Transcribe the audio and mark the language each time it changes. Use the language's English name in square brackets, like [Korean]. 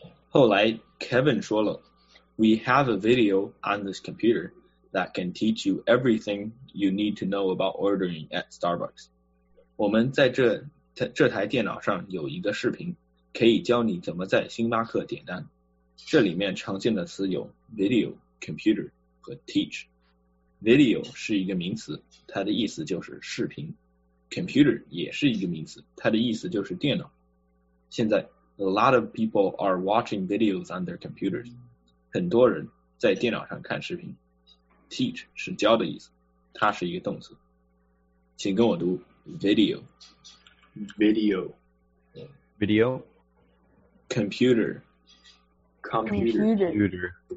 [Chinese] 后来 [English] Kevin [Chinese] 说了 [English] We have a video on this computer that can teach you everything you need to know about ordering at Starbucks. [Chinese] 我们在这台电脑上有一个视频可以教你怎么在星巴克点单。这里面常见的词有 video, computer 和 teach. Video 是一个名词，它的意思就是视频。 Computer 也是一个名词，它的意思就是电脑。现在 [English] a lot of people are watching videos on their computers. [Chinese] 很多人在电脑上看视频。 Teach 是教的意思，它是一个动词。请跟我读 video. [English] Video. Video. Computer. Computer.